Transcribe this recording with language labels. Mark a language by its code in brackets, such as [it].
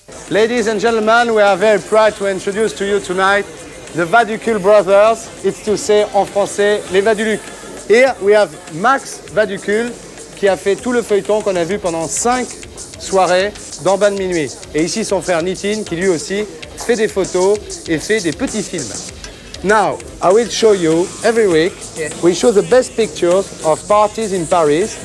[en] Ladies and gentlemen, we are very proud to introduce to you tonight the Vaducul brothers. It's to say [fr] en français les Vaduluc. [en] Here we have [fr] Max Vaducul qui a fait tout le feuilleton qu'on a vu pendant 5 soirées dans Bain de Minuit. Et ici son frère Nitin qui lui aussi fait des photos et fait des petits films. [en] Now, I will show you every week. We show the best pictures of parties in Paris.